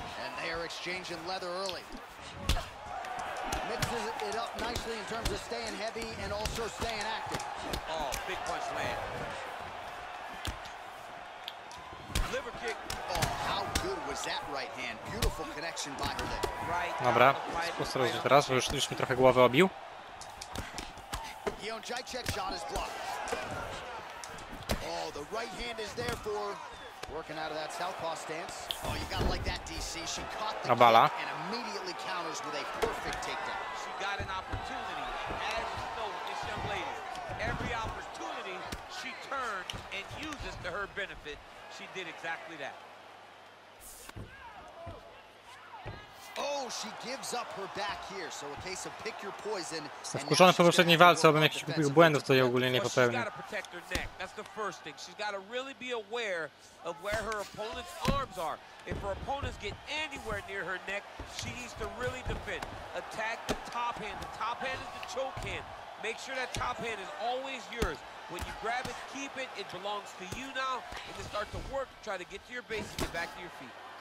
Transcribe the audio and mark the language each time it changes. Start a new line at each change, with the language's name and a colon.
English: And they are exchanging leather early. Mixes it up nicely in terms of staying heavy and also staying active. Oh, big punch land. Liver kick. Oh, how good was that right hand? Beautiful connection by her there. Right.
Polish: Dobra, spostrzegam teraz, bo już mi trochę głowę obił.
English: Yeon Jae-chek shot is blocked. The right hand is there for working out of that southpaw stance. Oh, you gotta like that, DC. She caught the kick and immediately counters with a perfect takedown. She got an opportunity, as you know, this young lady. Every opportunity she turns and uses to her benefit, she did exactly that. Oh, she gives up her back here, so a case of pick your poison.
Polish: Wkurzona po poprzedniej walce, obym jakichś głupich błędów tutaj ogólnie nie popełnił.
English: She's got to protect her neck. That's the first thing. She's got to really be aware of where her opponent's arms are. If her opponents get anywhere near her neck, she needs to really defend. Attack the top hand. The top hand is the choke hand. Make sure that top hand is always yours. When you grab it, keep it. It belongs to you now. And then start to work, try to get to your base and get back to your feet.